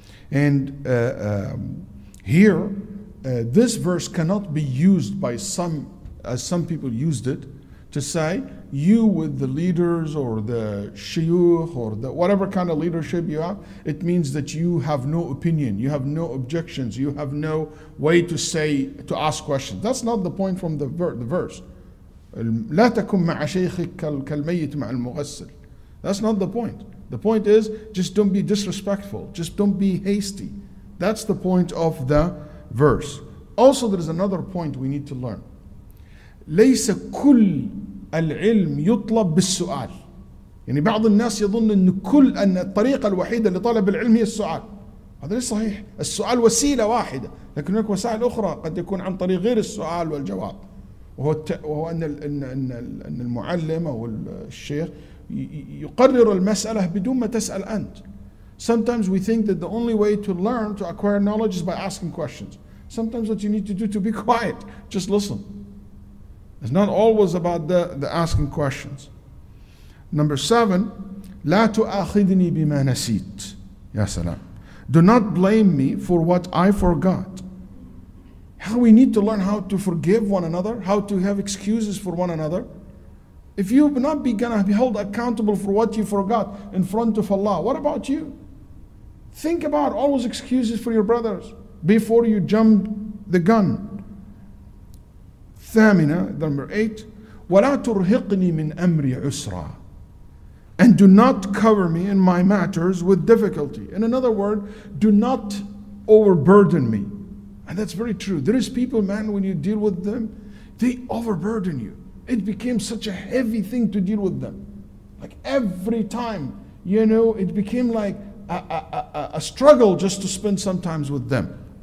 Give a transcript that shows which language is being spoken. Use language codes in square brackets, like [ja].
[en] And here, this verse cannot be used by some, as some people used it, to say, you with the leaders or the shuyukh or the whatever kind of leadership you have, it means that you have no opinion, you have no objections, you have no way to say, to ask questions. That's not the point from the verse. [ar] لا تكن مع شيخك كالميت مع المغسل. [en] That's not the point. The point is, just don't be disrespectful, just don't be hasty. That's the point of the verse. Also, there is another point we need to learn. [ar] ليس كل العلم يطلب بالسؤال. يعني بعض الناس يظن أن كل أن الطريقة الوحيدة لطلب العلم هي السؤال. هذا ليس صحيح. السؤال وسيلة واحدة. لكن هناك وسائل أخرى قد يكون عن طريق غير السؤال والجواب. وهو أن المعلم أو الشيخ يقرر المسألة بدون ما تسأل أنت. [en] Sometimes we think that the only way to learn, to acquire knowledge, is by asking questions. Sometimes what you need to do to be quiet, just listen. It's not always about the asking questions. Number seven, [ar] لا تؤاخذني بما نسيت. يا سلام. [en] Do not blame me for what I forgot. How we need to learn how to forgive one another, how to have excuses for one another. If you have not begun to be held accountable for what you forgot in front of Allah, what about you? Think about all those excuses for your brothers before you jump the gun. [ar] ثامنة, [en] number eight, [ar] ولا ترهقني من أمري عسرا. [en] And do not cover me in my matters with difficulty. In another word, do not overburden me. And that's very true. There is people, man, when you deal with them, they overburden you. It became such a heavy thing to deal with them. Like every time, you know, it became like a struggle just to spend some time with them.